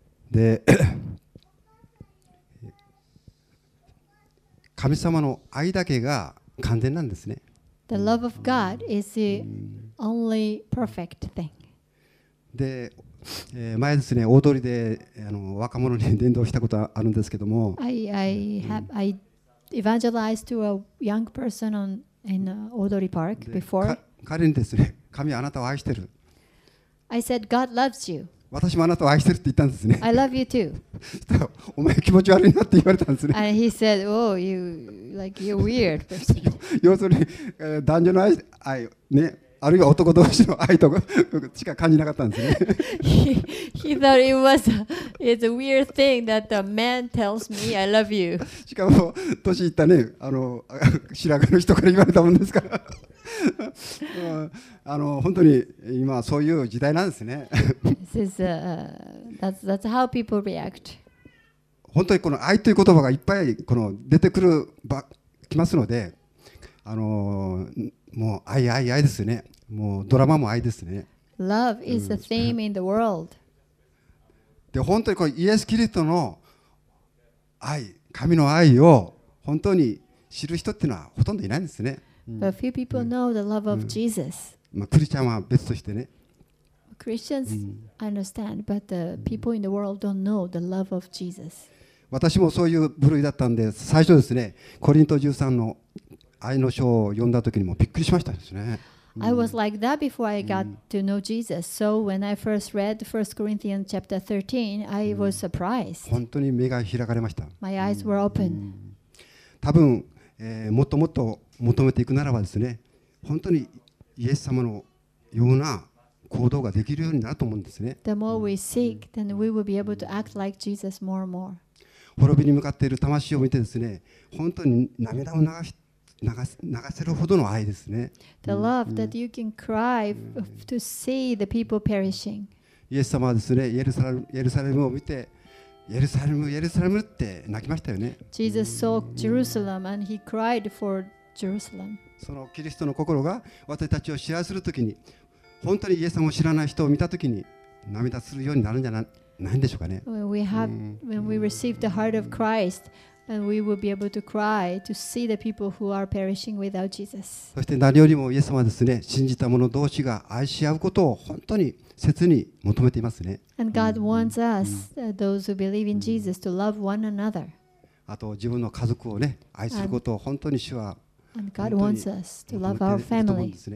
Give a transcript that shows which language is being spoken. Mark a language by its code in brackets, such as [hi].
[ja] で、神様の愛だけが完全なんですね。 [en] The love of God is the only perfect thing. [ja] で、前ですね、大通りで若者に伝道したことあるんですけども。 [en] I evangelized to a young person in Odori Park before. [ja] 彼にですね、神はあなたを愛してる。 [en] I said, God loves you. [ja] 私もあなたを愛してるって言ったんですね。 [en] I love you too. [ja] お前気持ち悪いなって言われたんですね。 [en] And he said, oh, you, like, you're weird. [ja] 要するに、男女の愛、ね、あるいは男同士の愛とかしか感じなかったんですね。 [en] he thought it was it's a weird thing that a man tells me I love you。 [ja] しかも年いったね、あの白髪の人から言われたもんですから。あの本当に今そういう時代なんですね。 [en] that's how people react。 [ja] 本当にこの愛という言葉がいっぱいこの出てくるばきますので、もう愛愛愛ですね。もうドラマも愛ですね。 [en] Love is a theme in the world。 [ja] で本当にこのイエス・キリストの愛、神の愛を本当に知る人っていうのはほとんどいないんですね。 [en] But few people know the love of Jesus。 [ja] まあクリスチャンは別としてね。 [en] Christians understand, but the people in the world don't know the love of Jesus。 [ja] 私もそういう部類だったんで、最初ですね、コリント13の愛の書を読んだ時にもびっくりしましたですね。 [en] I was like that before I got to know Jesus. So when I first read 1 Corinthians chapter 13, I was surprised. [ja] 本当に目が開かれました。 [en] My eyes were open. [ja] 多分、もっともっと求めていくならばですね、本当にイエス様のような行動ができるようになると思うんですね。 [en] The more we seek, then we will be able to act like Jesus more and more. [ja] 滅びに向かっている魂を見てですね、本当に涙を流して流せるほどの愛ですね。 [en] The love that you can cry to see the people perishing. [ja] イエス様はですね、エルサレムを見て、エルサレム、エルサレムって泣きましたよね。 [en] Jesus saw Jerusalem and he cried for Jerusalem. [ja] そのキリストの心が私たちを知らせるときに、本当にイエス様を知らない人を見たときに涙するようになるんじゃないんでしょうかね。 [en] When we receive the heart of Christ. And we will be able to cry to see the people who are perishing without Jesus. [ja] そして何よりもイエス様はですね、信じた者同士が愛し合うことを本当に切に求めていますね。 [en] And God wants us, those who believe in Jesus, to love one another. [ja] あと自分の家族をね、愛することを本当に主は [en] And God wants us to love our family.